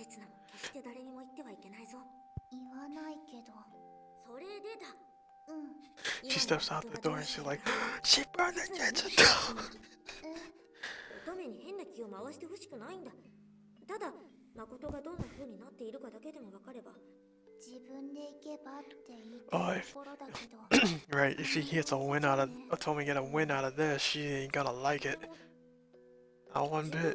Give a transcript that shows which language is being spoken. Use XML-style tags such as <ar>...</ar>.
<ja>刹那も決して誰にも言ってはいけないぞ。言わないけど、それでだ。</ja> <en>She steps out the door and she's like, she burned the kitchen down!</en> <ja>乙女に変な気を回してほしくないんだ。ただ、誠がどんな風になっているかだけでも分かれば。自分で行けばって言ってるところだけど。</ja> <en>Right, if she gets a win out of, if Tomi gets a win out of this, she ain't gonna like it. Not one bit.</en>